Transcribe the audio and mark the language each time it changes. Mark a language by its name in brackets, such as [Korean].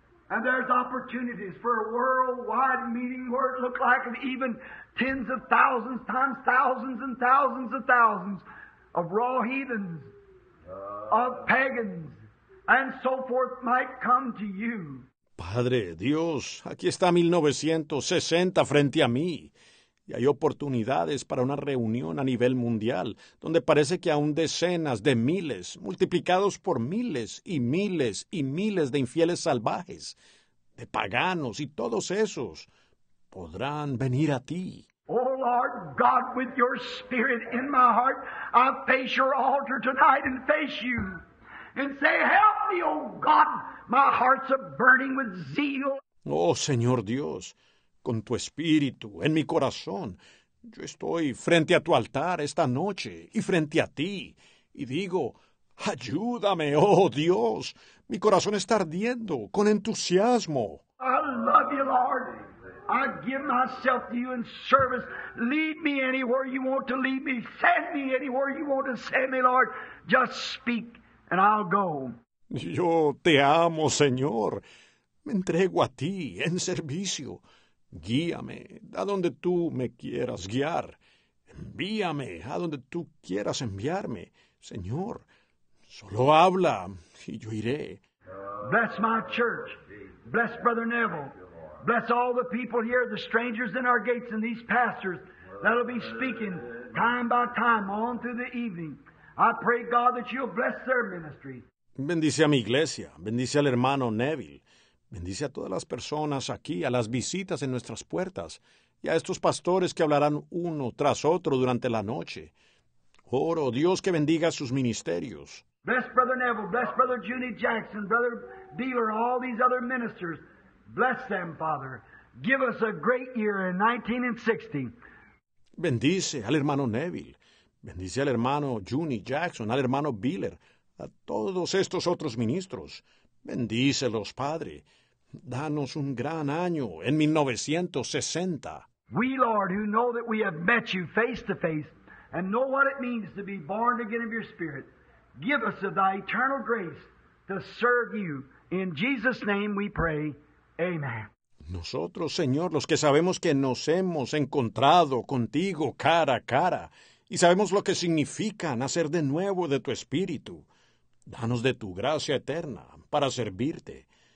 [English] And there's opportunities for a worldwide meeting where it looked like even tens of thousands times thousands and thousands of thousands of raw heathens, of pagans, and so forth might come to you. [Spanish] Padre Dios, aquí está 1960 frente a mí. Y hay oportunidades para una reunión a nivel mundial, donde parece que aún decenas de miles, multiplicados por miles y miles y miles de infieles salvajes, de paganos y todos esos, podrán venir a ti. [English] Oh, Lord God, with your Spirit in my heart, I face your altar tonight and face you. And say, help me, oh God, my heart's a burning with zeal. [Spanish] Oh, Señor Dios, con tu Espíritu en mi corazón, yo estoy frente a tu altar esta noche y frente a ti. Y digo, ayúdame, oh Dios, mi corazón está ardiendo con entusiasmo. [English] I love you, Lord. I give myself to you in service. Lead me anywhere you want to lead me. Send me anywhere you want to send me, Lord. Just speak and I'll go. [Spanish] Yo te amo, Señor. Me entrego a ti en servicio. Guíame a donde tú me quieras guiar. Envíame a donde tú quieras enviarme, Señor. Solo habla y yo iré. [English] Bless my church. Bless Brother Neville. Bless all the people here, the strangers in our gates, and these pastors that'll be speaking time by time on through the evening. I pray, God, that you'll bless their ministry. [Spanish] Bendice a mi iglesia. Bendice al hermano Neville. Bendice a todas las personas aquí, a las visitas en nuestras puertas, y a estos pastores que hablarán uno tras otro durante la noche. Oro, Dios, que bendiga sus ministerios. [English] Bless Brother Neville, bless Brother Junie Jackson, Brother Beeler, all these other ministers. Bless them, Father. Give us a great year in 1960. [Spanish] Bendice al hermano Neville. Bendice al hermano Junie Jackson, al hermano Beeler, a todos estos otros ministros. Bendícelos, Padre. Danos un gran año en 1960. [English] We, Lord, who know that we have met you face to face and know what it means to be born again of your Spirit, give us of thy eternal grace to serve you. In Jesus' name we pray. Amen. [Spanish] Nosotros, Señor, los que sabemos que nos hemos encontrado contigo cara a cara y sabemos lo que significa nacer de nuevo de tu Espíritu, danos de tu gracia eterna para servirte.